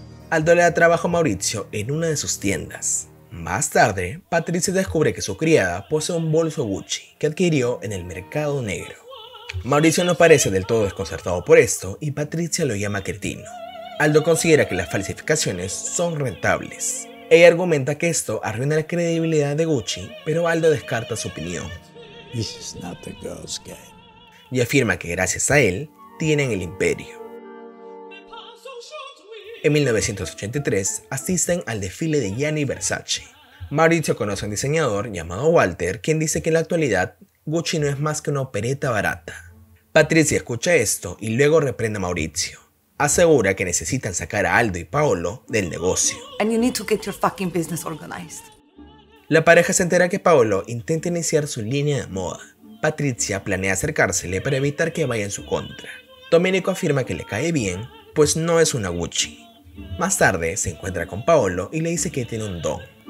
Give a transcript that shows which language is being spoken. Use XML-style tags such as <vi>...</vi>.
<es>Aldo le da trabajo a Maurizio en una de sus tiendas. Más tarde, Patricia descubre que su criada posee un bolso Gucci que adquirió en el mercado negro. Maurizio no parece del todo desconcertado por esto y Patricia lo llama cretino. Aldo considera que las falsificaciones son rentables. Ella argumenta que esto arruina la credibilidad de Gucci, pero Aldo descarta su opinión.</es> <en>This is not the girl's game.</en> <es>Y afirma que gracias a él, tienen el imperio. En 1983, asisten al desfile de Gianni Versace. Maurizio conoce a un diseñador llamado Walter, quien dice que en la actualidad, Gucci no es más que una opereta barata. Patricia escucha esto y luego reprende a Maurizio. Asegura que necesitan sacar a Aldo y Paolo del negocio.</es> <en>And you need to get your fucking business organized.</en> <es>La pareja se entera que Paolo intenta iniciar su línea de moda. Patricia planea acercársele para evitar que vaya en su contra. Domenico afirma que le cae bien, pues no es una Gucci. Más tarde, se encuentra con Paolo y le dice que tiene un don.</es>